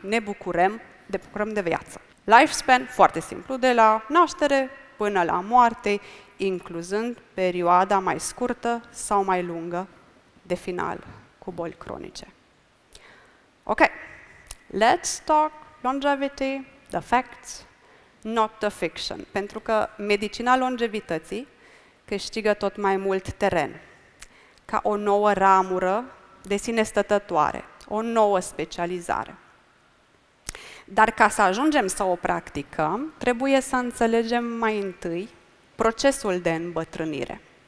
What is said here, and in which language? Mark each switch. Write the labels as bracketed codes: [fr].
[ro] Ne bucurăm, ne bucurăm de viață. Lifespan, foarte simplu, de la naștere până la moarte, incluzând perioada mai scurtă sau mai lungă de final cu boli cronice. [en] Ok, let's talk longevity, the facts, not the fiction. [ro] Pentru că medicina longevității câștigă tot mai mult teren. Ca o nouă ramură de sine stătătoare, o nouă specializare. Dar ca să ajungem să o practicăm, trebuie să înțelegem mai întâi procesul de îmbătrânire.